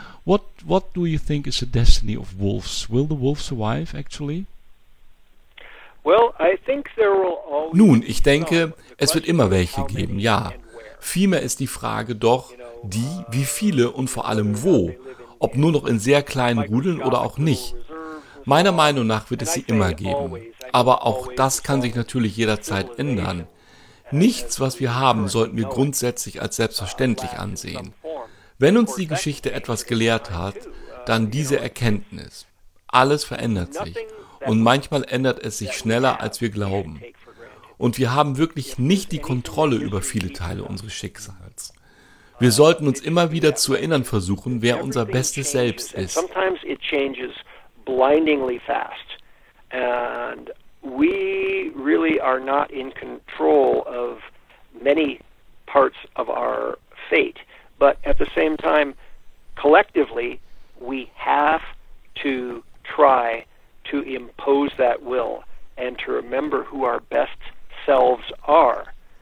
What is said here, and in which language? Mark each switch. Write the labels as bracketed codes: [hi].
[en] What do you think is the destiny of wolves? Will the wolf survive, actually? Well, I think there will always [de] Nun, ich denke, es wird immer welche geben, ja. Vielmehr ist die Frage doch die, wie viele und vor allem wo, ob nur noch in sehr kleinen Rudeln oder auch nicht. Meiner Meinung nach wird es sie immer geben. Aber auch das kann sich natürlich jederzeit ändern. Nichts, was wir haben, sollten wir grundsätzlich als selbstverständlich ansehen. Wenn uns die Geschichte etwas gelehrt hat, dann diese Erkenntnis. Alles verändert sich und manchmal ändert es sich schneller, als wir glauben. Und wir haben wirklich nicht die Kontrolle über viele Teile unseres Schicksals. Wir sollten uns immer wieder zu erinnern versuchen, wer unser bestes Selbst ist. [en] Sometimes it changes blindingly fast and we really are not in control of many parts of our fate. But at the same time, collectively, we have to try to impose that will and to remember who our best selves are.